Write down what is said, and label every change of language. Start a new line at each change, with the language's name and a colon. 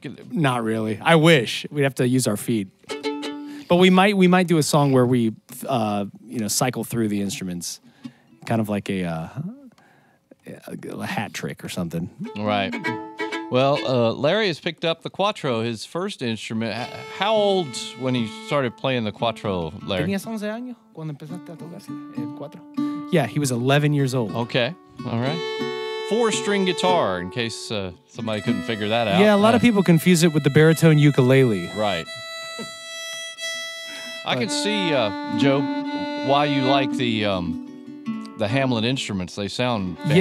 English: Not really. I wish. We'd have to use our feet. But we might do a song where we, you know, cycle through the instruments, kind of like a hat trick or something. Right. Well, Larry has picked up the quattro, his first instrument. How old when he started playing the quattro, Larry?
Spanish: Tenías 11 años cuando empezaste a tocar el cuatro.
English: Yeah, he was 11 years old. Okay. All right. Four-string guitar, in case somebody couldn't figure that out. Yeah, a lot of people confuse it with the baritone ukulele. Right. I can see, Joe, why you like the Hamlin instruments. They sound fantastic.